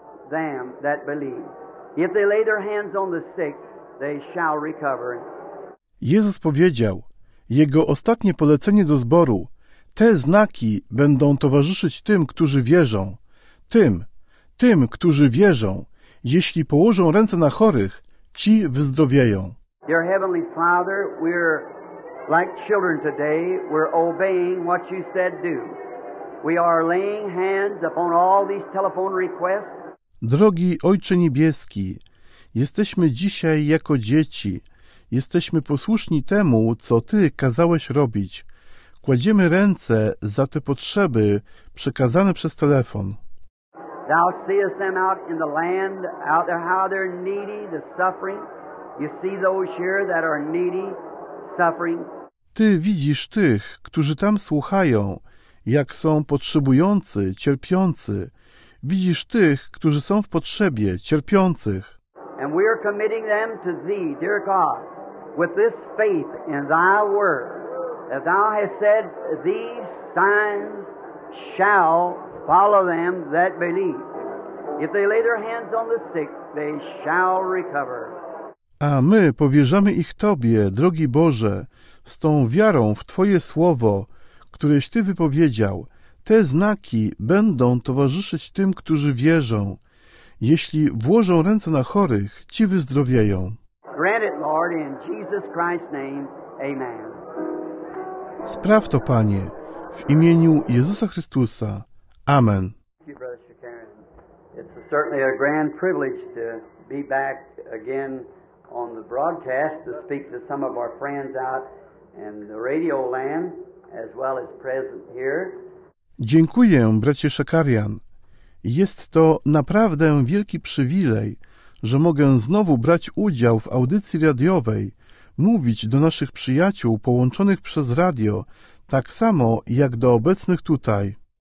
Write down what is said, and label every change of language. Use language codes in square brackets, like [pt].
[en] Them that believe. If they lay their hands on the sick, they shall recover. [pl] Jezus powiedział, jego ostatnie polecenie do zboru, te znaki będą towarzyszyć tym, którzy wierzą. Tym, którzy wierzą, jeśli położą ręce na chorych, ci wyzdrowieją. [en] Dear Heavenly Father, we're like children today, we're obeying what you said do. We are laying hands upon all these telephone requests. [pl] Drogi Ojcze Niebieski, jesteśmy dzisiaj jako dzieci. Jesteśmy posłuszni temu, co Ty kazałeś robić. Kładziemy ręce za te potrzeby przekazane przez telefon. [en] Thou seest them out in the land, out there how they're needy, the suffering. You see those here that are needy, suffering. [pl] Ty widzisz tych, którzy tam słuchają, jak są potrzebujący, cierpiący. Widzisz tych, którzy są w potrzebie, cierpiących. [en] And we are committing them to Thee, dear God, with this faith in Thy word, that Thou hast said, these signs shall follow them that believe. If they lay their hands on the sick, they shall recover. [pl] A my powierzamy ich Tobie, drogi Boże, z tą wiarą w Twoje słowo, któreś Ty wypowiedział. Te znaki będą towarzyszyć tym, którzy wierzą. Jeśli włożą ręce na chorych, ci wyzdrowieją. [en] Grant it, Lord, in Jesus Christ's name. Amen. [pl] Spraw to, Panie, w imieniu Jezusa Chrystusa. Amen. [en] Thank you, Brother Shakarian. It's certainly a grand privilege to be back again on the broadcast to speak to some of our friends out in the radio land as well as present here. [pl] Dziękuję, bracie Shakarian. Jest to naprawdę wielki przywilej, że mogę znowu brać udział w audycji radiowej, mówić do naszych przyjaciół połączonych przez radio, tak samo jak do obecnych tutaj.